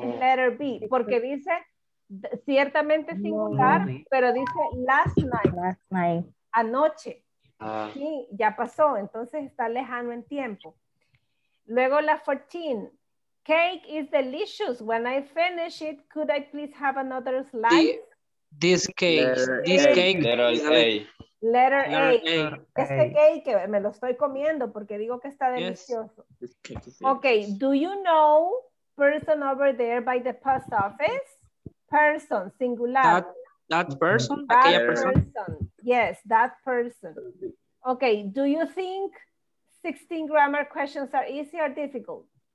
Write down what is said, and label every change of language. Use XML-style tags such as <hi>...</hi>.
<en>Letter B.</en> <es>Porque dice ciertamente singular, pero dice</es> <en>last night. Last night.</en> <es>Anoche. Sí, ya pasó. Entonces está lejano en tiempo. Luego la 14.</es> <en>Cake is delicious. When I finish it, could I please have another slice? This cake. Letter A.</en> <es>Este cake me lo estoy comiendo porque digo que está delicioso.</es> <en>Yes. This cake is okay. Do you know person over there by the post office? Person, singular. That person? Aquella person. Yes, that person. Okay. Do you think 16 grammar questions are easy or difficult?</en>